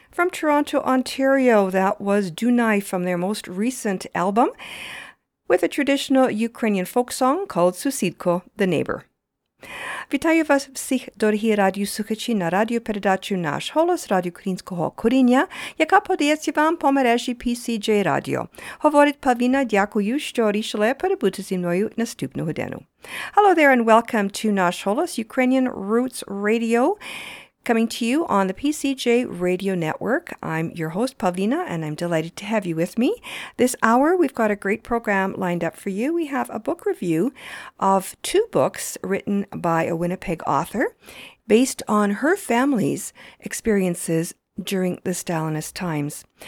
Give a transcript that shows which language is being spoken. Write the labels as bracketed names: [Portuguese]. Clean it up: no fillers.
[English] Toronto, Ontario, that was Dunai from their most recent album, with a traditional Ukrainian folk song called Susidko, the neighbor. [Ukrainian] Вітаю вас всіх, дорогі радіослухачі, на радіопередачу «Наш голос» радіоукраїнського коріння, яка подається вам по мережі PCJ Radio. Говорить Павіна, дякую, що рішили перебути зі мною наступну годину. [English] Hello there and welcome to «Наш голос» Ukrainian Roots Radio. Coming to you on the PCJ Radio Network, I'm your host, Pavlina, and I'm delighted to have you with me. This hour, we've got a great program lined up for you. We have a book review of two books written by a Winnipeg author based on her family's experiences during the Stalinist times.